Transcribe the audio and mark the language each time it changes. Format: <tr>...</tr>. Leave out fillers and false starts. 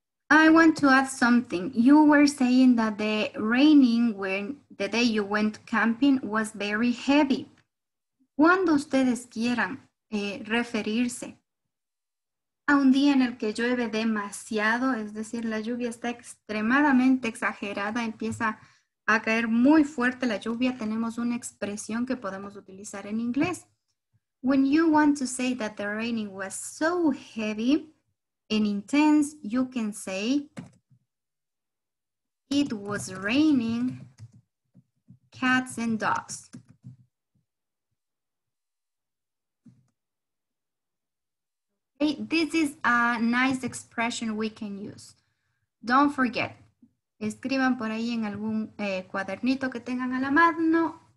<en>I want to add something. You were saying that the raining when the day you went camping was very heavy.</en> <es>Cuando ustedes quieran referirse a un día en el que llueve demasiado, es decir, la lluvia está extremadamente exagerada, empieza a caer muy fuerte la lluvia, tenemos una expresión que podemos utilizar en inglés.</es> <en>When you want to say that the raining was so heavy and intense, you can say it was raining cats and dogs. Okay, this is a nice expression we can use. Don't forget.</en> <es>Escriban por ahí en algún cuadernito que tengan a la mano.</es>